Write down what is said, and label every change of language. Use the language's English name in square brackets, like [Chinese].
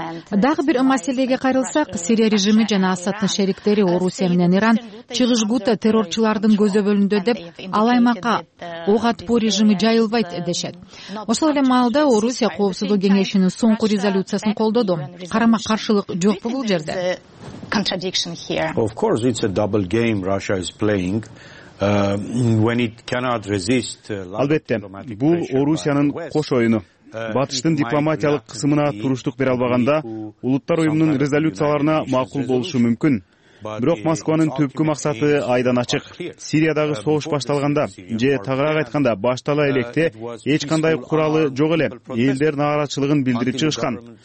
[Kyrgyz] Дагы бир маселеге кайрылсак, Сирия режими жана Асадтын шериктери Орусия менен Иран чыгыш Гута террорчулардын көзөмөлүндө деп ал аймакка ок атпоо режими жайылбайт дешет. Ошол эле маалда Орусия Коопсуздук кеңешинин соңку резолюциясын колдоду. Карама каршылык жокпу бул жерде? [English] Of course it's a double game Russia is playing. [Kyrgyz] Албетте, бул Орусиянын кош оюну. Батыштын дипломатиялык кысымына туруштук бере албаганда, улуттар уюмунун резолюцияларына макул болушу мүмкүн. Бирок Москванын түпкү максаты айдан ачык. Сириядагы согуш башталганда же тагыраак айтканда баштала электе эч кандай куралы жок эле элдер нааразычылыгын билдирип чыгышкан.